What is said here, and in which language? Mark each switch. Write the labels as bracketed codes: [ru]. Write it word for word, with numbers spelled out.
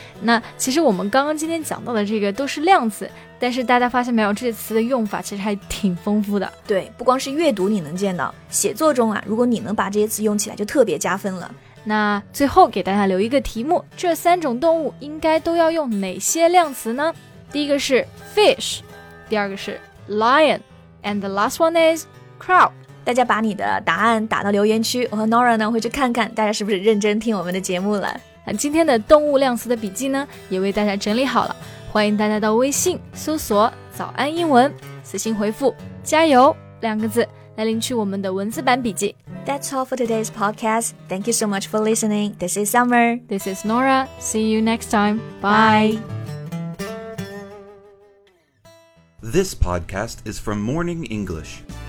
[zh] 那其实我们刚刚今天讲到的这个都是量词，但是大家发现没有，这些词的用法其实还挺丰富的。对，不光是阅读你能见到，写作中啊，如果你能把这些词用起来就特别加分了。那最后给大家留一个题目，这三种动物应该都要用哪些量词呢？第一个是 fish， 第二个是 lion， [en] and the last one is crow。 [zh] 大家把你的答案打到留言区，我和 Nora 呢会去看看大家是不是认真听我们的节目了。今天的动物量词的笔记呢，也为大家整理好了，欢迎大家到微信搜索早安英文，私信回复加油两个字来领取我们的文字版笔记。 [en] That's all for today's podcast. Thank you so much for listening. This is Summer. This is Nora. See you next time. Bye. This podcast is from Morning English.